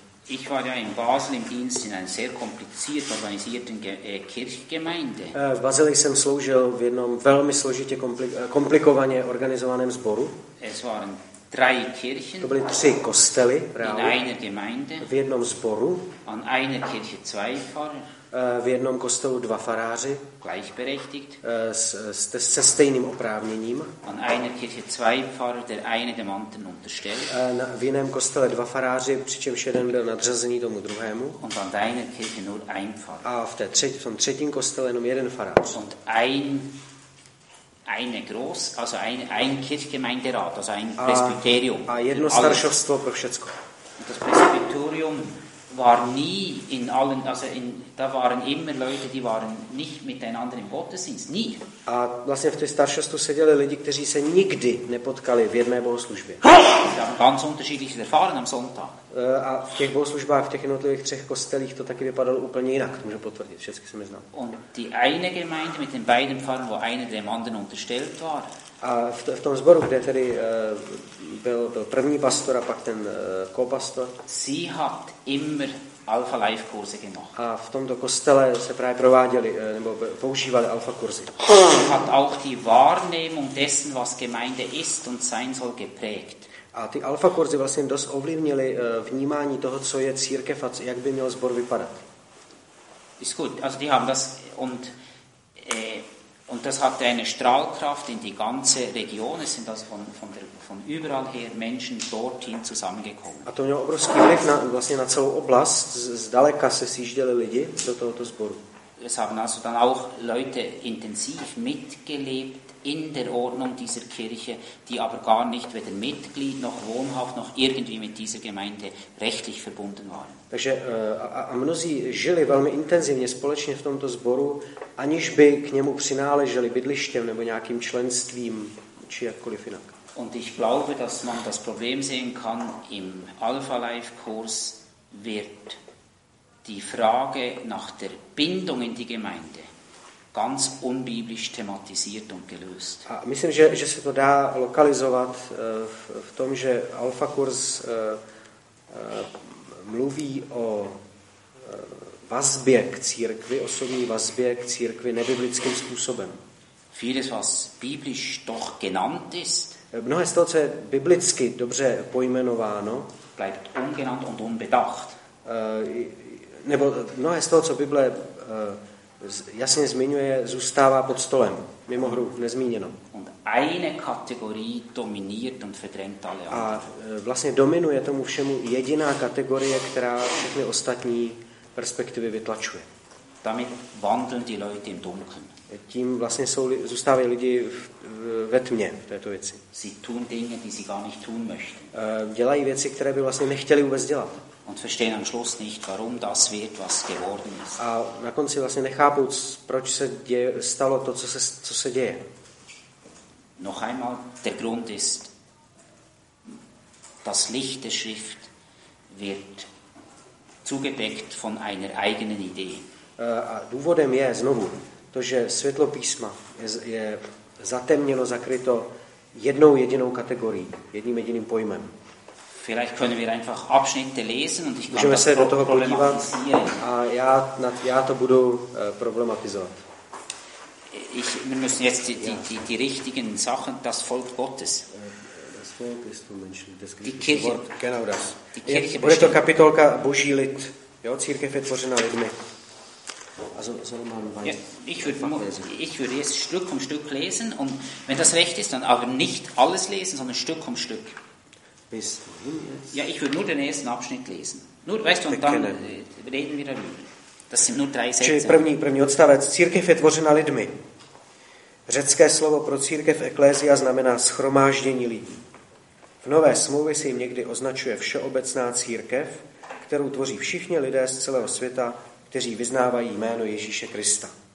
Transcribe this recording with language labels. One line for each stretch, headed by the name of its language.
German: Ich war ja in Basel im Dienst in einer sehr kompliziert organisierten Kirchgemeinde.
Czech: V Basel jsem sloužil v jednom velmi složitě komplikovaně organizovaném sboru.
German: Es waren drei Kirchen.
Czech: To byly tři kostely reálně.
German: In einer Gemeinde.
Czech: V jednom sboru.
German: An einer Kirche zwei Pfarrer.
Czech: V jednom kostelu dva faráři.
German: Gleichberechtigt.
Czech: Se stejným oprávněním.
German: An einer Kirche zwei Pfarrer, der eine dem anderen unterstellt.
Czech: V jiném kostele dva faráři, přičemž jeden byl nadřazený tomu druhému.
German: Und an einer Kirche nur ein Pfarrer.
Czech: A v tom třetím kostele jenom jeden farář.
German: Und ein Kirchgemeinderat, also ein Presbyterium.
Czech: A jedno staršovstvo pro všecko.
German: Das Presbyterium war nie in allen, also in, da waren immer Leute, die waren nicht miteinander im Gottesdienst, nie.
Czech: A vlastně v té staršovstvu seděli lidi, kteří se nikdy nepotkali v jedné bohoslužbě.
German: Die haben ganz unterschiedliche Erfahrungen am Sonntag.
Czech: A v těch bohoslužbách, v těch jednotlivých třech kostelích to taky vypadalo úplně jinak, to můžu potvrdit, všechny jsem je znal.
German: Und die eine Gemeinde mit den beiden Pfarrern, wo einer dem anderen unterstellt war.
Czech: A v tom sboru, kde tedy byl první pastor a pak ten co-pastor.
German: Sie hat immer Alpha Life Kurse gemacht.
Czech: A v tomto kostele se právě prováděli nebo používali Alpha Kurzy.
German: Sie hat auch die Wahrnehmung dessen, was Gemeinde ist und sein soll, geprägt.
Czech: A ty Alpha Kurzy vlastně dost ovlivnili vnímání toho, co je církev a jak by měl sbor vypadat.
German: Ist gut, also die haben das und das hatte eine Strahlkraft in die ganze Region. Es sind also von überall her Menschen dorthin zusammengekommen.
Czech: A to mělo obrovský vliv na, vlastně na celou oblast. Zdaleka se sjížděli lidi do tohoto sboru.
German: Es haben also dann auch Leute intensiv mitgelebt in der Ordnung dieser Kirche, die aber gar nicht weder Mitglied noch wohnhaft noch irgendwie mit dieser Gemeinde rechtlich verbunden waren.
Czech: Takže a mnozí žili velmi intenzivně společně v tomto sboru, aniž by k němu přináleželi bydlištěm nebo nějakým členstvím či jakkoliv jinak.
German: Und ich glaube, dass man das Problem sehen kann, im Alpha Life Kurs wird die Frage nach der Bindung in die Gemeinde ganz unbiblisch thematisiert und gelöst.
Czech: A myslím, že se to dá lokalizovat v tom, že Alpha Kurs mluví o vazbě k církvi, osobní vazbě k církvi nebiblickým způsobem.
German: Vieles, was biblisch doch genannt ist,
Czech: mnohé z toho, co je biblicky dobře pojmenováno,
German: bleibt ungenannt und unbedacht.
Czech: Nebo mnohé z toho, co Bible jasně zmiňuje, zůstává pod stolem, mimo hru, nezmíněno.
German: Und eine Kategorie dominiert und verdrängt alle
Czech: anderen. A vlastně dominuje tomu všemu jediná kategorie, která všechny ostatní perspektivy vytlačuje.
German: Damit wandeln die Leute im Dunkeln.
Czech: Tím vlastně zůstávají lidi ve tmě v této věci.
German: Sie tun Dinge, die sie gar nicht tun möchten.
Czech: Dělají věci, které by vlastně nechtěli vůbec dělat.
German: Und verstehen am Schluss nicht, warum das wird, was geworden ist.
Czech: A na konci vlastně nechápu, proč se stalo to, co se děje.
German: Noch einmal, der Grund ist, das Licht der Schrift wird zugedeckt von einer eigenen Idee.
Czech: A důvodem je znovu to, že světlo písma je zatemněno, zakryto jednou jedinou kategorií, jedním jediným pojmem.
German: Vielleicht können wir einfach Abschnitte lesen und ich
Czech: kann se do toho podívat a já to budu problematizovat.
German: Ich wir müssen jetzt die richtigen Sachen, das Volk Gottes. Das Volk ist vom Menschen, das Kirche. Wort, genau das.
Czech: Bude to kapitolka Boží lid. Jo, církev je tvořena lidmi.
German: Also soll man ich würde jetzt Stück um Stück lesen und wenn das recht ist, dann aber nicht alles lesen, sondern Stück um Stück. Bis wohin jetzt? Ja, ich würde nur den ersten Abschnitt lesen. Nur, weißt du, und dann reden wir darüber. Das sind nur drei Sätze.
Czech: První odstavec. Církev je tvořena lidmi. Řecké slovo pro církev eklézia znamená shromáždění lidí. V nové smlouvě se jim někdy označuje všeobecná církev, kterou tvoří všichni lidé z celého světa, kteří vyznávají jméno Ježíše Krista.